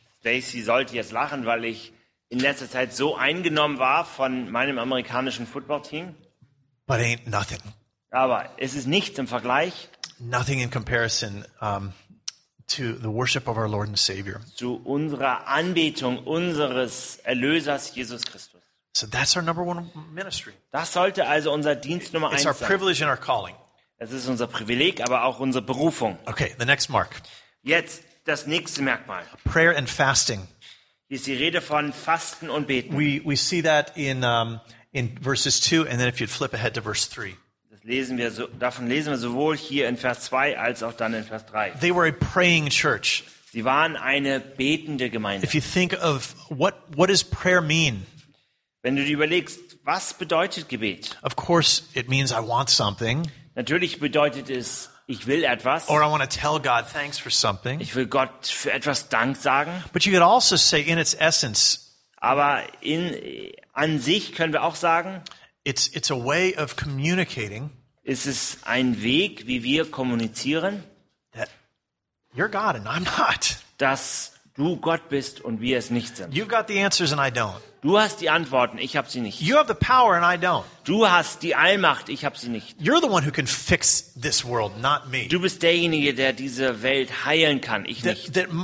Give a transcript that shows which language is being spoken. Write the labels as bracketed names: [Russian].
[German] Stacy sollte jetzt lachen, weil ich in letzter Zeit so eingenommen war von meinem amerikanischen Footballteam. [English] But ain't nothing. [German] Aber es ist nichts im Vergleich. [English] Nothing in comparison to the worship of our Lord and Savior. [German] Zu unserer Anbetung unseres Erlösers Jesus Christus. [English] So that's our number one ministry. [German] Das sollte also unser Dienst Nummer 1 sein. [English] It's our privilege and our calling. [German] Es ist unser Privileg, aber auch unsere Berufung. [English] Okay, the next mark. [German] Jetzt das nächste Merkmal. [English] Prayer and fasting. [German] Hier ist die Rede von Fasten und Beten. [English] We see that in verses 2 and then if you'd flip ahead to verse 3. [German] Das lesen wir so, davon lesen wir sowohl hier in Vers 2 als auch dann in Vers 3. [English] They were a praying church. [German] Sie waren eine betende Gemeinde. [English] If you think of what does prayer mean? [German] Wenn du dir überlegst, was bedeutet Gebet? [English] Of course it means I want something. [German] Natürlich bedeutet es, Ich will etwas. [English] Or I want to tell God thanks for something. [German] Ich will Gott für etwas Dank sagen. [English] But you could also say in its essence. [German] Aber in an sich können wir auch sagen. [English] It's a way of communicating. [German] Ist es ein Weg, wie wir kommunizieren? [English] That you're God and I'm not. [German] Dass du Gott bist und wir es nicht sind. [English] You've got the answers and I don't. [German] Du hast die Antworten, ich habe sie nicht. [English] You have the power and I don't. [German] Du hast die Allmacht, ich habe sie nicht. [English] You're the one who can fix this world, not me. [German] Du bist derjenige, der diese Welt heilen kann, ich nicht.